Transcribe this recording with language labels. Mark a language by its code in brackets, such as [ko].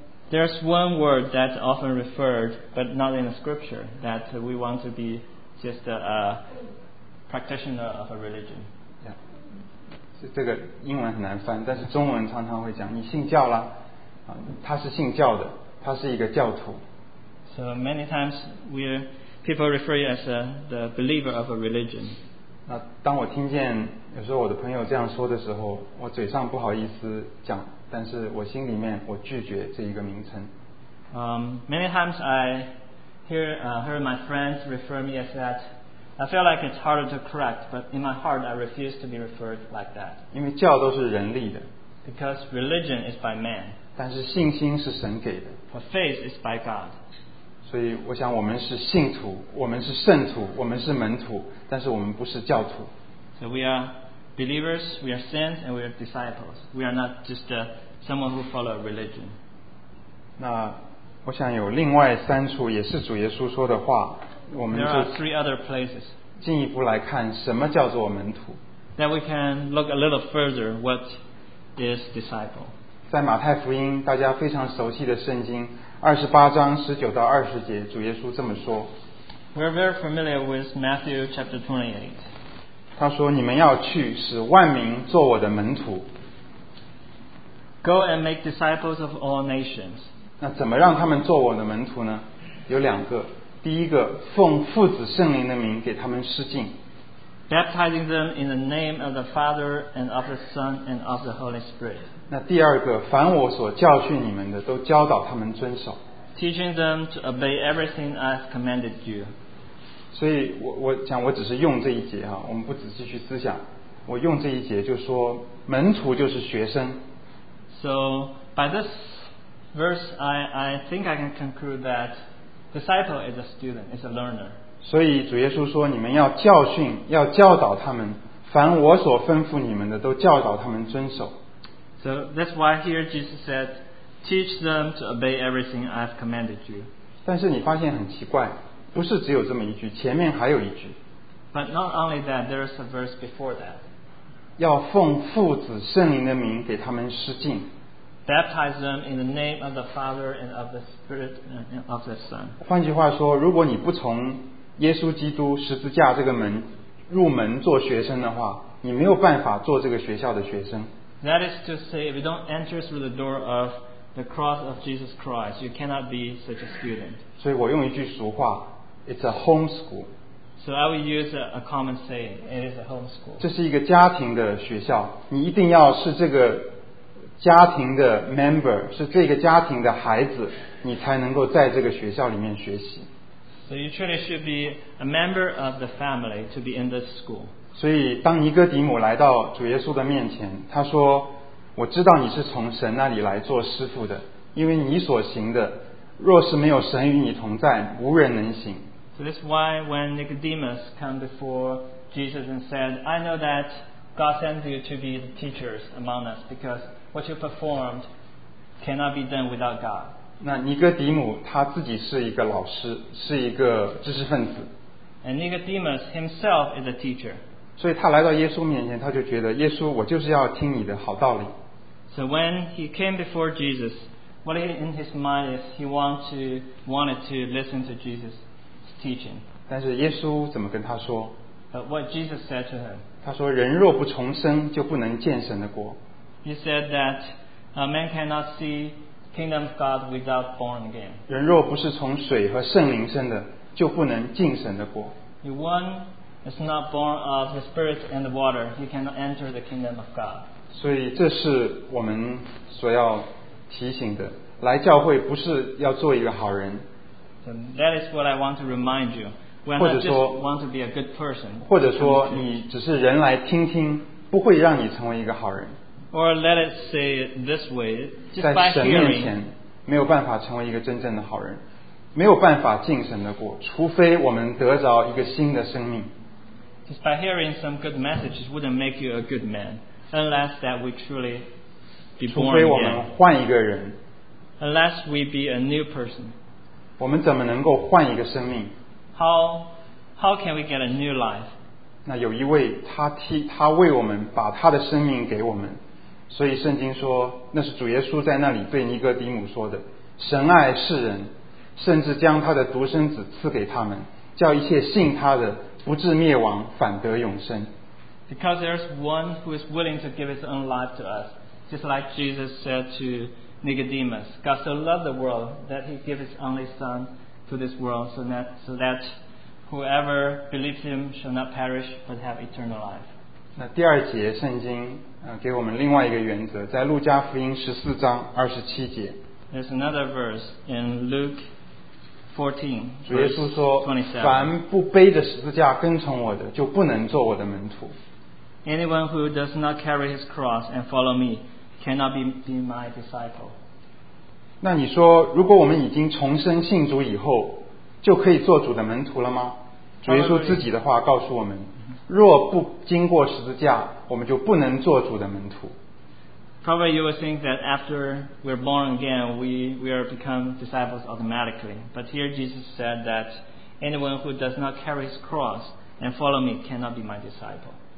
[en] There's one word that's often referred, but not in the scripture, that we want to be just a practitioner of a religion. Yeah. [zh] 这个英文很难翻, 但是中文常常会讲,你信教啦, 他是信教的, 他是一个教徒。 [en] So many times people refer you as the believer of a religion. [zh] 那当我听见有时候我的朋友这样说的时候, 我嘴上不好意思讲, 但是我心里面我拒绝这一个名称。 [en] Many times I heard my friends refer me as that. I feel like it's harder to correct, but in my heart I refuse to be referred like that. [zh] 因为教都是人立的。 [en] Because religion is by man. [zh] 但是信心是神给的。 [en] But faith is by God. [zh] 所以我想我们是信徒，我们是圣徒，我们是门徒，但是我们不是教徒。 [en] So we are believers, we are saints, and we are disciples. We are not just someone who follow religion. [zh] 那我想有另外三处也是主耶稣说的话，我们就 [en] There are three other places. [zh] 进一步来看什么叫做门徒。 [en] Then we can look a little further what is disciple. [zh] 在马太福音大家非常熟悉的圣经28:19-20，主耶稣这么说。 [en] We are very familiar with Matthew chapter 28. [zh] 他说：“你们要去，使万民做我的门徒。” [en] Go and make disciples of all nations. [zh] 那怎么让他们做我的门徒呢？有两个。第一个，奉父子圣灵的名给他们施浸。 [en] Baptizing them in the name of the Father and of the Son and of the Holy Spirit. [zh] 那第二个，凡我所教训你们的，都教导他们遵守。 [en] Teaching them to obey everything I have commanded you. [zh] 所以我讲我只是用这一节啊，我们不仔细去思想。我用这一节就说，门徒就是学生。 [en] So by this verse, I think I can conclude that disciple is a student, is a learner. [zh] 所以主耶稣说，你们要教训，要教导他们，凡我所吩咐你们的，都教导他们遵守。 [en] So that's why here Jesus said, "Teach them to obey everything I've commanded you." [zh] 但是你发现很奇怪，不是只有这么一句，前面还有一句。 [en] But not only that, there's a verse before that. [zh] 要奉父子圣灵的名给他们施浸。 [en] Baptize them in the name of the Father and of the Spirit and of the Son. [zh] 换句话说，如果你不从耶稣基督十字架这个门入门做学生的话，你没有办法做这个学校的学生。 [en] That is to say, if you don't enter through the door of the cross of Jesus Christ, you cannot be such a student. [zh] 所以我用一句俗话， [en] it's a home school. So I will use a common saying, it is a home school. [zh] 这是一个家庭的学校，你一定要是这个家庭的 member， 是这个家庭的孩子，你才能够在这个学校里面学习。 [en] So you truly should be a member of the family to be in this school. [zh] 所以当尼哥底母来到主耶稣的面前，他说，我知道你是从神那里来做师父的，因为你所行的若是没有神与你同在，无人能行。 [en] So that's why when Nicodemus came before Jesus and said, I know that God sends you to be the teachers among us, because what you performed cannot be done without God. [zh] 那尼哥底母他自己是一个老师，是一个知识分子。 [en] And Nicodemus himself is a teacher. [zh] 所以他来到耶稣面前，他就觉得耶稣，我就是要听你的好道理。 [en] So when he came before Jesus, what in his mind is he wanted to listen to Jesus' teaching. [zh] 但是耶稣怎么跟他说？ [en] But what Jesus said to him, [zh] 他说，人若不重生，就不能见神的国。 [en] He said that a man cannot see the kingdom of God without born again. [zh] 人若不是从水和圣灵生的，就不能进神的国。 [en] If one is not born of the Spirit and the water, he cannot enter the kingdom of God. [zh] 所以这是我们所要提醒的。来教会不是要做一个好人。 [en] So that is what I want to remind you. We are not just want to be a good person. [zh] 或者说你只是人来听听，不会让你成为一个好人。 [en] Or let it say it this way, just by hearing, [zh] 在神面前没有办法成为一个真正的好人，没有办法进神的国，除非我们得着一个新的生命。 [en] Just by hearing some good messages wouldn't make you a good man, unless that we truly be born again. [zh] 除非我们换一个人。 [en] Unless we be a new person. [zh] 我们怎么能够换一个生命？ [en] How can we get a new life? [zh] 那有一位他为我们把他的生命给我们。所以圣经说，那是主耶稣在那里对尼哥底母说的，神爱世人，甚至将他的独生子赐给他们，叫一切信他的不至灭亡，反得永生。 [en] Because there is one who is willing to give his own life to us, just like Jesus said to Nicodemus, God so loved the world that he gave his only son to this world, so that whoever believes him shall not perish but have eternal life. [zh] 那第二节圣经给我们另外一个原则，在路加福音14:27。 [en] There's another verse in Luke 14. [zh] 主耶稣说，凡不背着十字架跟从我的，就不能做我的门徒。 [en] Anyone who does not carry his cross and follow me cannot be my disciple. [zh] 那你说，如果我们已经重生信主以后，就可以做主的门徒了吗？主耶稣自己的话告诉我们，若不经过十字架，我们就不能做主的门徒。 [en] Probably you would think that after we're born again, we are become disciples automatically. But here Jesus said that anyone who does not carry his cross and follow me cannot be my disciple.